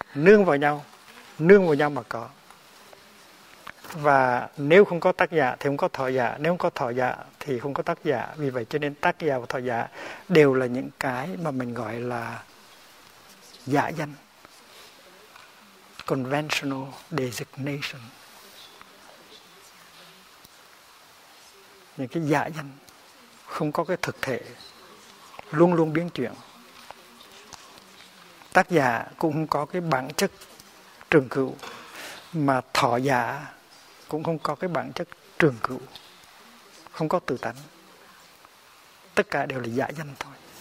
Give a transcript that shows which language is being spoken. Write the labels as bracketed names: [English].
[Vietnamese] Nương vào nhau mà có. Và nếu không có tác giả thì không có thọ giả. Nếu không có thọ giả thì không có tác giả. Vì vậy cho nên tác giả và thọ giả đều là những cái mà mình gọi là giả danh. [English] Conventional designation. [Vietnamese] Những cái giả danh không có cái thực thể, luôn luôn biến chuyển. Tác giả cũng không có cái bản chất trường cửu, mà thọ giả cũng không có cái bản chất trường cửu, không có tự tánh, tất cả đều là giả danh thôi.